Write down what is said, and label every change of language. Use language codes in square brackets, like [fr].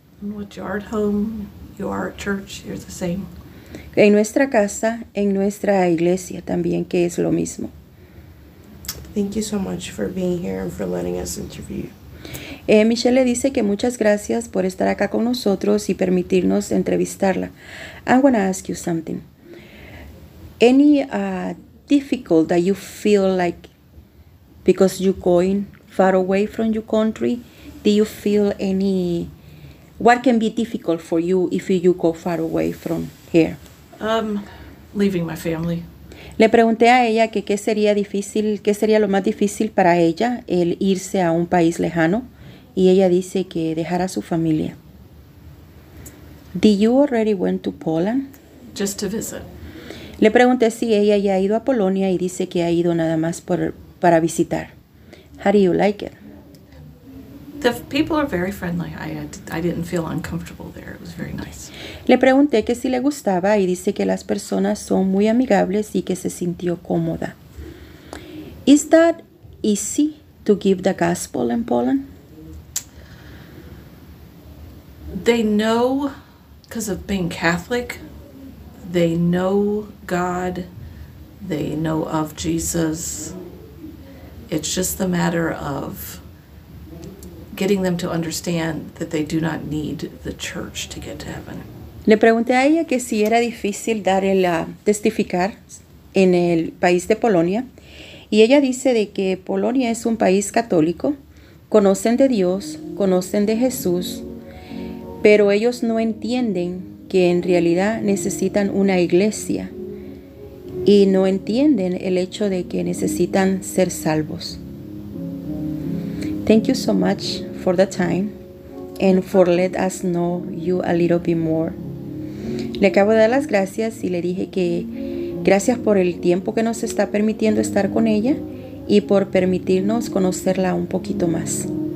[en] What you are at home, you are at church, you're the same. [es] En nuestra casa, en nuestra iglesia también, que es lo mismo. [en] Thank you so much for being here and for letting us interview you. [es] Michelle le dice que muchas gracias por estar acá con nosotros y permitirnos entrevistarla. [en] I'm going to ask you something. Any difficult that you feel like because you're going far away from your country, do you feel any, what can be difficult for you if you go far away from here? Leaving my family. [es] Le pregunté a ella que qué sería difícil, qué sería lo más difícil para ella, el irse a un país lejano. Y ella dice que dejar a su familia. [en] Did you already went to Poland? Just to visit. [es] Le pregunté si ella ya ha ido a Polonia y dice que ha ido nada más para visitar. [en] How do you like it? The people are very friendly. I didn't feel uncomfortable there. It was very nice. [es] Le pregunté que si le gustaba y dice que las personas son muy amigables y que se sintió cómoda. [en] Is that easy to give the gospel in Poland? They know, because of being Catholic, they know God, they know of Jesus. It's just the matter of getting them to understand that they do not need the church to get to heaven. [es] Le pregunté a ella que si era difícil dar el testificar en el país de Polonia, y ella dice de que Polonia es un país católico, conocen de Dios, conocen de Jesús, pero ellos no entienden que en realidad necesitan una iglesia y no entienden el hecho de que necesitan ser salvos. [en] Thank you so much for the time and for let us know you a little bit more. [es] Le acabo de dar las gracias y le dije que gracias por el tiempo que nos está permitiendo estar con ella y por permitirnos conocerla un poquito más.